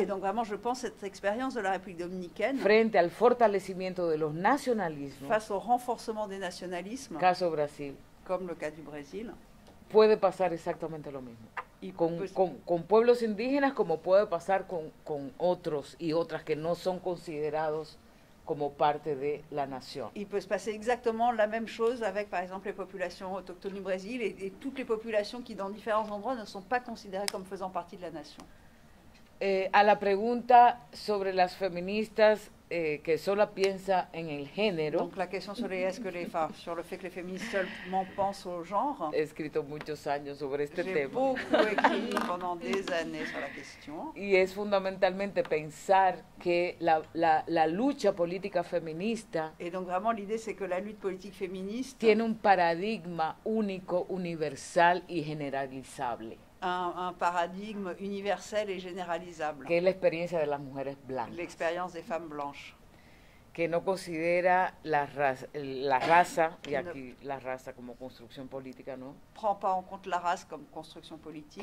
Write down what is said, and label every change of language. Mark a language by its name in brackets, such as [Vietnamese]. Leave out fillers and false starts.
[French] Et donc vraiment je pense cette expérience de la République dominicaine. [Spanish] Frente al fortalecimiento de los nacionalismos. [French] Face au renforcement des nationalismes. [Spanish] Caso Brasil. [French] Comme le cas du Brésil. [Spanish] Puede pasar exactamente lo mismo. Y con pueblos indígenas como puede pasar con otros y otras que no son considerados como parte de la nación. [French] Il peut se passer exactement la même chose avec par exemple les populations autochtones du Brésil et toutes les populations qui dans différents endroits ne sont pas considérées comme faisant partie de la nation. [Spanish] A la pregunta sobre las feministas que solo piensa en el género. [French] Donc la question serait, est-ce que les femmes, sur le fait que les féministes seulement pensent au genre. [Spanish] He escrito muchos años sobre este [French] J'ai [Spanish] tema. [French] J'ai beaucoup écrit pendant des années sur la question. [Spanish] Y es fundamentalmente pensar que la lucha política feminista. [French] Et donc vraiment l'idée c'est que la lutte politique féministe. [Spanish] Tiene un paradigma único, universal y generalizable. [French] Un paradigme universel et généralisable. [Spanish] Que es la experiencia de las mujeres blancas. [French] L'expérience des femmes blanches. [Spanish] Que no considera la raza, y aquí la raza como construcción política, ¿no? [French] Prend pas en compte la race comme construction politique.